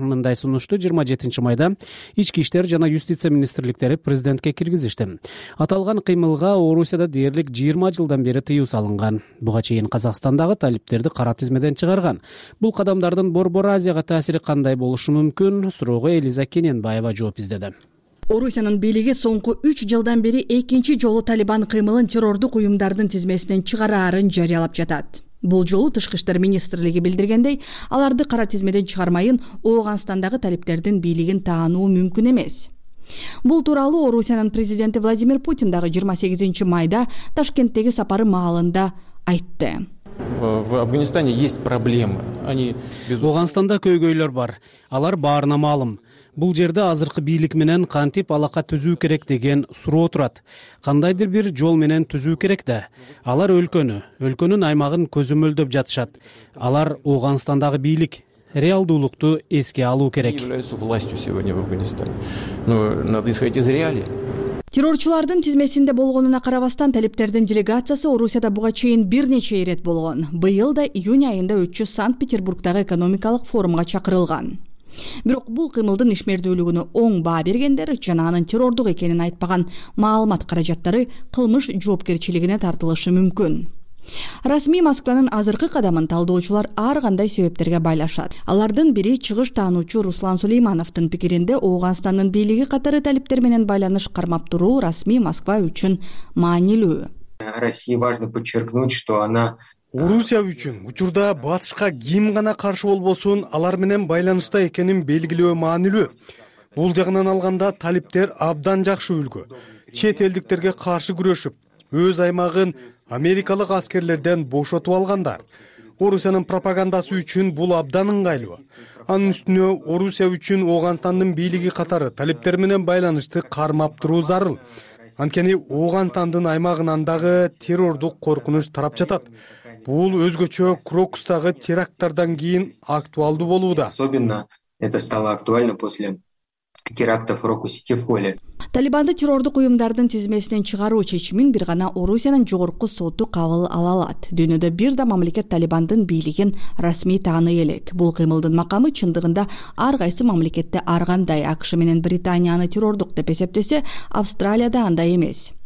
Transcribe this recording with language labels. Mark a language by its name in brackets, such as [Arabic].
[Kyrgyz] Мындай сунушту 27 майда ички иштер жана юстиция министрликтери президентке киргизишти. Аталган кыймылга Орусияда дээрлик 20 жылдан бери тыюу салынган. Буга чейин Казакстандагы талиптерди кара тизмеден чыгарган. Бул кадамдардын Борбор Азияга таасири кандай болушу мүмкүн? Суроого Элиза Кененбаева жооп издеди. Орусиянын бийлиги соңку 3 жылдан бери экинчи жолу Талибан кыймылын террордук уюмдардын тизмесинен чыгарарын жарыялап жатат. Бул жолу тышкы иштер министрлиги билдиргендей, аларды кара тизмеден чыгармайын Ооганстандагы талиптердин бийлигин таануу мүмкүн эмес. Бул тууралуу Орусиянын президенти Владимир Путин дагы 28 майда Ташкенттеги сапары маалында айтты. [Russian] В Афганистане есть проблемы. Они [Kyrgyz] Афганистанда көйгөйлөр бар. Алар баарына маалым. Бул жерде азыркы бийлик менен кантип алака түзүү керек деген суроо турат. Кандайдыр бир жол менен түзүү керек да. Алар өлкөнү, өлкөнүн аймагын көзөмөлдөп жатышат. Алар Афганистандагы бийлик реалдуулукту эске алуу керек. Террорчулардын тизмесинде болгонуна карабастан талиптердин делегациясы Орусияда буга чейин бир нече ирет болгон. Быйыл да июнь айында өтчү Санкт-Петербургдагы экономикалык форумга чакырылган. Бирок бул кыймылдын ишмердүүлүгүнө оң баа бергендер жана анын террордук экенин айтпаган маалымат каражаттары кылмыш жоопкерчилигине тартылышы мүмкүн. Расмий Москванын азыркы кадамын талдоочулар ар кандай себептерге байлашат. Алардын бири чыгыш таануучу Руслан Сулеймановдун пикиринде Ооганстандын бийлиги катары талиптер менен байланыш кармап туруу расмий Москва үчүн маанилүү. [Russian] России важно подчеркнуть, что она [Kyrgyz] Орусия үчүн учурда батышка ким гана каршы болбосун алар менен байланышта экенин белгилөө маанилүү. Бул жагынан алганда талиптер абдан жакшы үлгү. Чет элдиктерге каршы күрөшүп, өз аймагын америкалык аскерлерден бошотуп алгандар. Орусиянын пропагандасы үчүн бул абдан ыңгайлуу. Анын үстүнө Орусия үчүн Оогонстандын бийлиги катары талиптер менен байланышты кармап туруу зарыл. Анткени Оогонстандын аймагынан дагы террордук коркунуч тарап жатат. Бул өзгөчө Крокустагы терактардан кийин актуалдуу болууда. [Russian] Особенно это стало актуально после терактов в Крокусе и Фоле. [Kyrgyz] Талибанды террордук уюмдардын тизмесинен чыгаруу чечимин бир гана Орусиянын жогорку соту кабыл ала алат. Дүйнөдө бир да мамлекет Талибандын бийлигин расмий тааный элек. Бул кыймылдын макамы чындыгында ар кайсы мамлекетте ар кандай. АКШ менен Британияны террордук деп эсептесе, Австралияда андай эмес.